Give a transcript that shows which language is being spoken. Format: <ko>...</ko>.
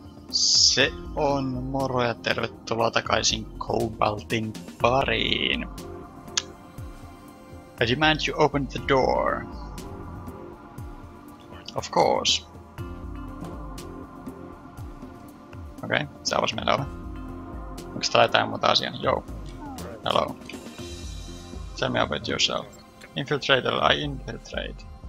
<fi>Se on, moro ja tervetuloa takaisin Cobaltin pariin.</fi> <en>I demand you open the door. Of course.</en> <fi>Okei, se avasi meidän ove. Onks tää jotain muuta asiaa? Joo.</fi> <en>Hello. Tell me about yourself. Infiltrator, I infiltrate.</en>